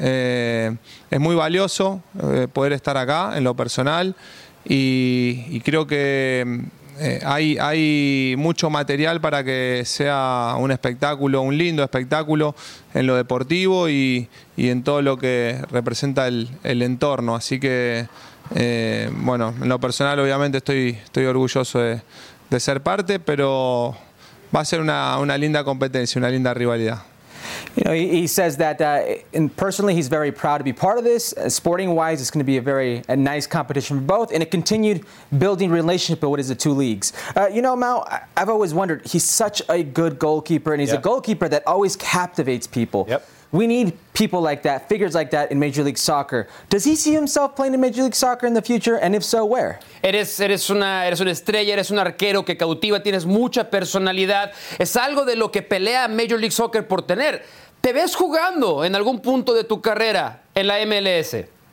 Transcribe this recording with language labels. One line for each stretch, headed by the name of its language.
Spanish: Es muy valioso poder estar acá en lo personal y creo que hay mucho material para que sea un espectáculo, un lindo espectáculo en lo deportivo y en todo lo que representa el entorno. Así que, bueno, en lo personal obviamente estoy orgulloso de ser parte, pero va a ser una linda competencia, una linda rivalidad.
English: You know, he says that and personally he's very proud to be part of this. Sporting-wise, it's going to be a nice competition for both and a continued building relationship with what is the two leagues. You know, Mao, I've always wondered, he's such a good goalkeeper, and he's a goalkeeper that always captivates people. Yep. We need people like that, figures like that in Major League Soccer. Does he see himself playing in Major League Soccer in the future? And if so, where?
Spanish: Eres una estrella, eres un arquero que cautiva, tienes mucha personalidad. Es algo de lo que pelea Major League Soccer por tener. ¿Te ves jugando en algún punto de tu carrera en la MLS?